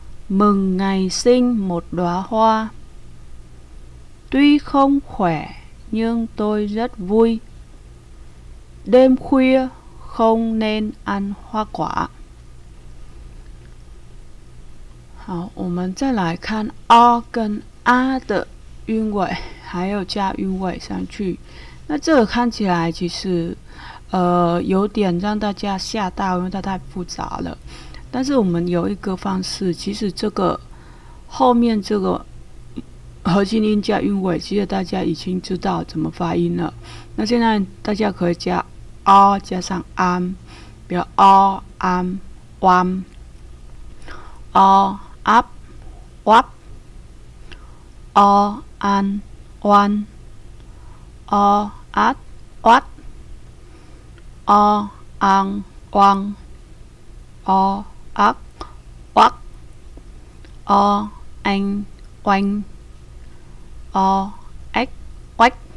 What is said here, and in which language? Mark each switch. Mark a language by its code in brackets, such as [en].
[zh] 门外生 [vi] một đóa hoa, tuy không khỏe nhưng tôi rất vui. Đêm khuya không nên ăn hoa quả. [zh] 好，我们再来看 a 跟 a 的韵尾，还有加韵尾上去。那这个看起来其实，有点让大家吓到，因为它太复杂了。但是我们有一个方式，其实这个后面这个核心音加韵尾，其实大家已经知道怎么发音了。那现在大家可以加 a 加上 an， 比如 [vi] a an wan， a up wap， a an wan， a at wat， a an wang， a ắc quắc o anh oanh o ếch quách，